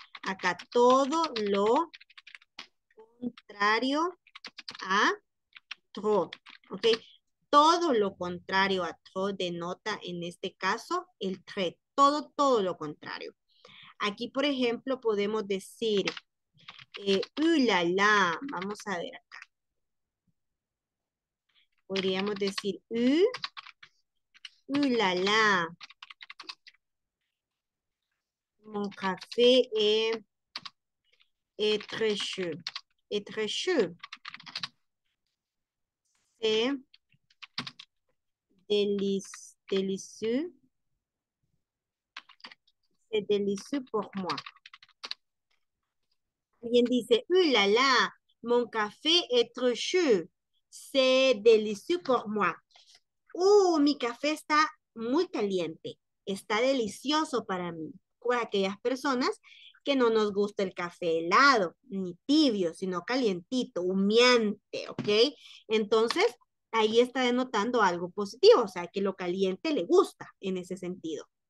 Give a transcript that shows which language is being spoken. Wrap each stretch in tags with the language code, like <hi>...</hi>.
<es>Acá todo lo contrario a tro, ¿ok? Todo lo contrario a tro denota en este caso el tre, todo lo contrario. Aquí, por ejemplo, podemos decir la, vamos a ver acá. Podríamos decir la,</es> <fr>mon café est très chaud. C'est délicieux. C'est délicieux pour moi.</fr> <es>Alguien dice, la la,</es> <fr>mon café est trop chaud, c'est délicieux pour moi.</fr> <es>Mi café está muy caliente, está delicioso para mí. Para aquellas personas que no nos gusta el café helado, ni tibio, sino calientito, humeante, ¿ok? Entonces, ahí está denotando algo positivo, o sea, que lo caliente le gusta en ese sentido.</es>